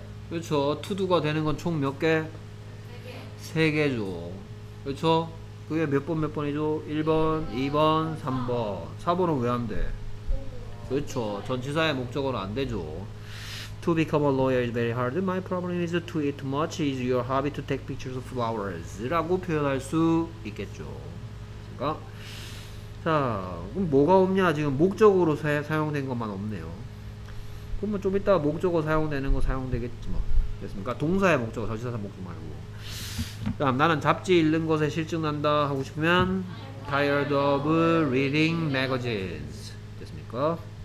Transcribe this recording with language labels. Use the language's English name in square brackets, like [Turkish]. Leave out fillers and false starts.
[Korean] 그렇죠. 투두가 되는 건 총 몇 개? 세 개죠. 그렇죠? 그게 몇 번 몇 번이죠? 1번, 2번, 3번. 4번은 왜 안 돼? 그렇죠. 전치사의 목적어는 안 되죠. [English] To become a lawyer is very hard. My problem is to eat too much. Is your hobby to take pictures of flowers? [Korean] 라고 표현할 수 있겠죠. 그러니까 자, 그럼 뭐가 없냐? 지금 목적어로 사용된 것만 없네요. 그러면 좀 이따 목적어 사용되는 거 사용되겠지 뭐. 됐습니까? 동사의 목적어, 전치사의 목적 말고. 다음 나는 잡지 읽는 것에 실증난다 하고 싶으면 [English] tired of reading magazines [Korean] 됐습니까?